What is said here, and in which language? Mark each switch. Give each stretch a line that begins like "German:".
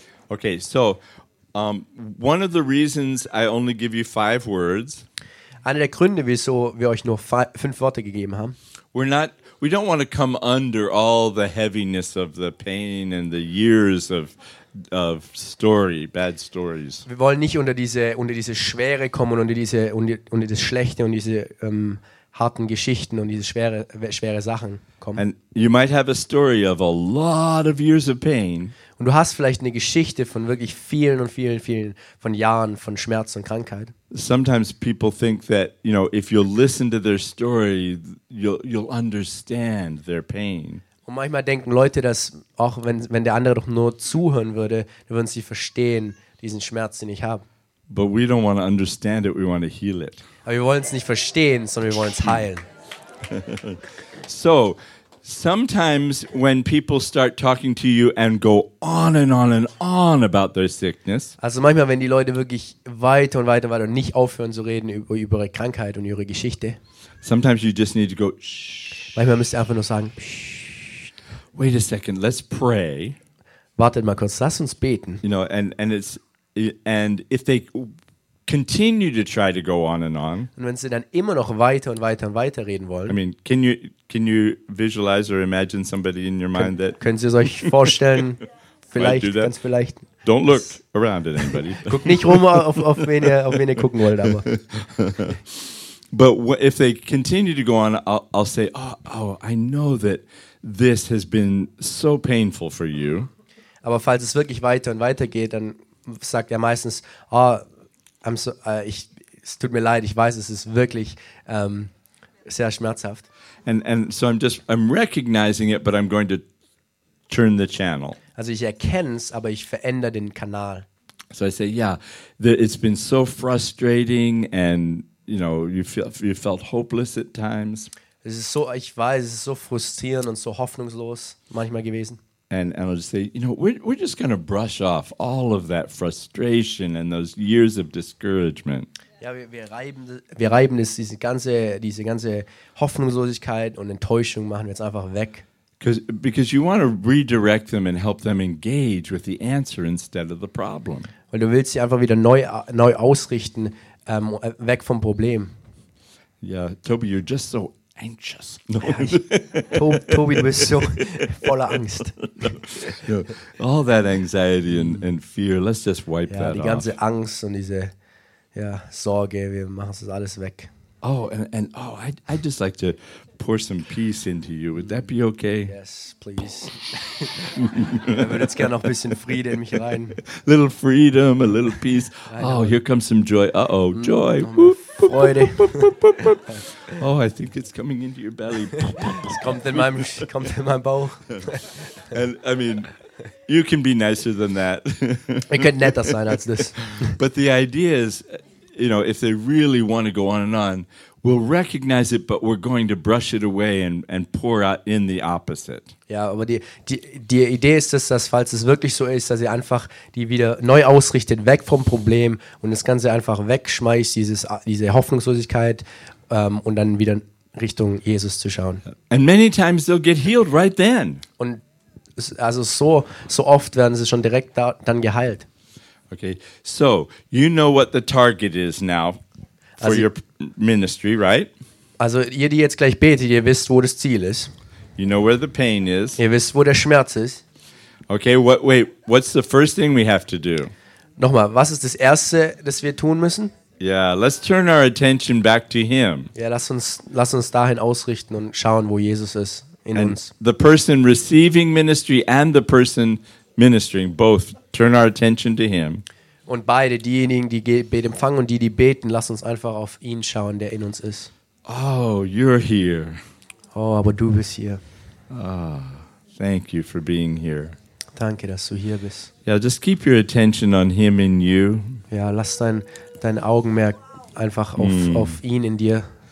English: Okay, so one of the reasons I only give you five words.
German: Einer der Gründe, wieso wir euch nur fünf Worte gegeben haben.
English: We don't want to come under all the heaviness of the pain and the years of of story, bad stories.
German: Wir wollen nicht unter diese Schwere kommen, unter das Schlechte und diese harten Geschichten und diese schwere Sachen kommen.
English: And you might have a story of a lot of years of pain.
German: Und du hast vielleicht eine Geschichte von wirklich vielen und vielen vielen von Jahren von Schmerz und Krankheit.
English: Sometimes people think that, you know, if you listen to their story, you'll understand their pain.
German: Und manchmal denken Leute, dass auch wenn der andere doch nur zuhören würde, dann würden sie verstehen diesen Schmerz, den ich habe.
English: But we don't want to understand it, we want to heal it.
German: Aber wir wollen es nicht verstehen, sondern wir wollen es heilen.
English: So, sometimes when people start talking to you and go on and on and on about their sickness.
German: Also manchmal, wenn die Leute wirklich weiter und weiter und weiter und nicht aufhören zu reden über ihre Krankheit und ihre Geschichte.
English: Sometimes you just need to go shh.
German: Manchmal müsst ihr einfach nur sagen
English: shh. Wait a second, let's pray.
German: Wartet mal kurz, lass uns beten.
English: You know, and if they continue to try to go on and on.
German: Und wenn sie dann immer noch weiter und weiter und weiter reden wollen.
English: I mean, can you visualize or imagine somebody in your mind that?
German: Können Sie es euch vorstellen? Vielleicht, ganz vielleicht.
English: Don't look around at anybody.
German: Guck nicht rum auf wen ihr gucken wollt, aber.
English: But if they continue to go on, I'll say, oh, I know that this has been so painful for you.
German: Aber falls es wirklich weiter und weiter geht, dann sagt er meistens, oh, es tut mir leid, ich weiß, es ist wirklich sehr schmerzhaft.
English: And so I'm recognizing it, but I'm going to turn the channel.
German: Also ich erkenne es, aber ich verändere den Kanal.
English: So I say, yeah, it's been so frustrating and, you know, you felt hopeless at times.
German: Es ist so, ich weiß, es ist so frustrierend und so hoffnungslos manchmal gewesen.
English: And I'll just say, you know, we're just going to brush off all of that frustration and those years of discouragement.
German: Ja, wir reiben das, diese ganze Hoffnungslosigkeit und Enttäuschung machen wir jetzt einfach weg.
English: Because you want to redirect them and help them engage with the answer instead of the problem.
German: Weil du willst sie einfach wieder neu ausrichten, weg vom Problem.
English: Yeah, Toby, you're just so anxious. No.
German: Toby, du bist so voller Angst.
English: No. No. All that anxiety and fear, let's just wipe
German: ja,
English: that off.
German: Die ganze Angst und diese ja, Sorge, wir machen das alles weg.
English: Oh, and I'd just like to pour some peace into you. Would that be okay? Yes, please.
German: Ich würde jetzt gerne noch ein bisschen Friede in mich rein.
English: Little freedom, a little peace. Oh, here comes some joy. Uh-oh, joy.
German: Freude.
English: Oh, I think it's coming into your belly.
German: Es kommt in meinem Bauch.
English: And I mean, you can be nicer than that.
German: Ich könnte netter sein als das.
English: But the idea is, you know, if they really want to go on and on, we'll recognize it, but we're going to brush it away and pour out in the opposite.
German: Ja, aber die Idee ist es, dass falls es wirklich so ist, dass ihr einfach die wieder neu ausrichtet, weg vom Problem und das Ganze einfach wegschmeißt, diese Hoffnungslosigkeit und dann wieder Richtung Jesus zu schauen.
English: And many times they'll get healed right then.
German: Und also so oft werden sie schon direkt da, dann geheilt.
English: Okay, so you know what the target is now for also, your ministry, right?
German: Also ihr, die jetzt gleich betet, ihr wisst, wo das Ziel ist.
English: You know where the pain is.
German: Ihr wisst, wo der Schmerz ist.
English: Okay, what's the first thing we have to do?
German: Nochmal, was ist das Erste, das wir tun müssen?
English: Yeah, let's turn our attention back to him.
German: Ja, lass uns dahin ausrichten und schauen, wo Jesus ist in
English: and
German: uns.
English: The person receiving ministry and the person ministering, both turn our attention to him.
German: Und beide, diejenigen, die Gebet empfangen und die beten, lass uns einfach auf ihn schauen, der in uns ist.
English: Oh, you're here.
German: Oh, aber du bist hier.
English: Ah, oh, thank you for being here.
German: Danke, dass du hier bist.
English: Yeah, just keep your attention on him in you.
German: Ja, lass dein Augenmerk einfach auf ihn in dir.